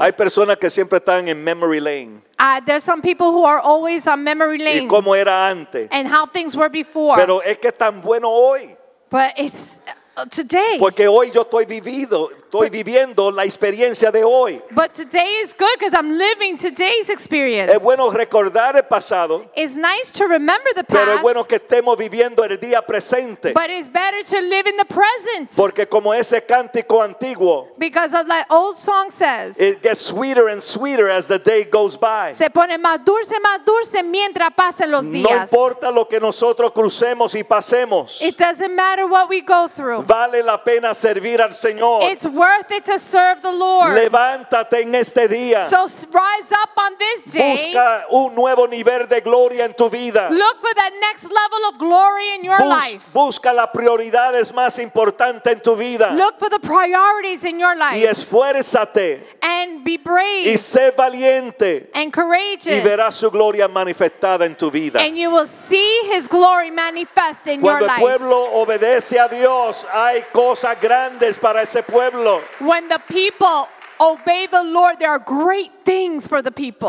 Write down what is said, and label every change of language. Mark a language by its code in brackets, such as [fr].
[es] Hay personas que siempre están en [en] memory lane. There's some people who are always on memory lane. [es] Y cómo era antes. [en] And how things were before. [es] Pero es que tan bueno hoy. [en] But it's today. [es] Porque hoy yo estoy viviendo la experiencia de hoy. [en] But today is good because I'm living today's experience. [es] Es bueno recordar el pasado. [en] It's nice to remember the past. [es] Pero es bueno que estemos viviendo el día presente. [en] But it's better to live in the present. [es] Porque como ese cántico antiguo. [en] Because of that old song says. It gets sweeter and sweeter as the day goes by. [es] Se pone más dulce mientras pasen los días. No importa lo que nosotros crucemos y pasemos. [en] It doesn't matter what we go through. [es] Vale la pena servir al Señor. [en] It's worth it to serve the Lord. [es] Levántate en este día. [en] So rise up on this day. [es] Busca un nuevo nivel de gloria en tu vida. [en] Look for that next level of glory in your life. [es] Busca las prioridades más importantes en tu vida. [en] Look for the priorities in your life. [es] Y esfuérzate. [en] And be brave. [es] Y sé valiente. [en] And courageous. [es] Y verás su gloria manifestada en tu vida. [en] And you will see his glory manifest in your life. [es] Cuando el pueblo obedece a Dios, hay cosas grandes para ese pueblo. [en] When the people obey the Lord, there are great things for the people.